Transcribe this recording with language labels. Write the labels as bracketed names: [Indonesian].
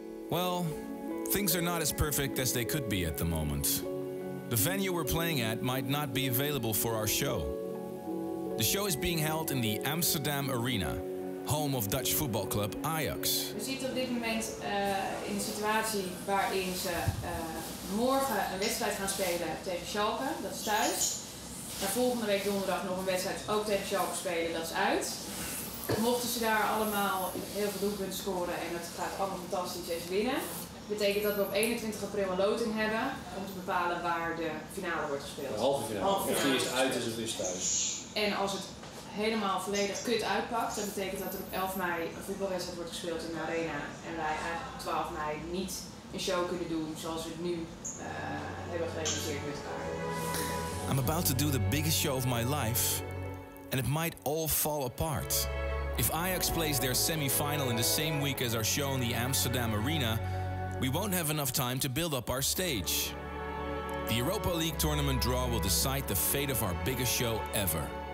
[English] Well, things are not as perfect as they could be at the moment. The venue we're playing at might not be available for our show. The show is being held in the Amsterdam Arena, home of Dutch football club Ajax. [Dutch] We zitten op dit moment in een situatie waarin ze morgen een wedstrijd gaan spelen tegen Schalke, dat is thuis. En volgende week donderdag nog een wedstrijd ook tegen Schalke spelen, dat is uit. Mochten ze daar allemaal heel veel doelpunten scoren en het gaat allemaal fantastisch eens winnen, betekent dat we op 21 april een loting hebben om te bepalen waar de finale wordt gespeeld. De halve finale. Of die is uit en die is thuis. En als het helemaal volledig kut uitpakt, dan betekent dat er op 11 mei een voetbalwedstrijd wordt gespeeld in de arena en wij eigenlijk op 12 mei niet een show kunnen doen zoals we het nu hebben gerealiseerd met elkaar. [English] I'm about to do the biggest show of my life and it might all fall apart. If Ajax plays their semi-final in the same week as our show in the Amsterdam Arena, we won't have enough time to build up our stage. The Europa League tournament draw will decide the fate of our biggest show ever.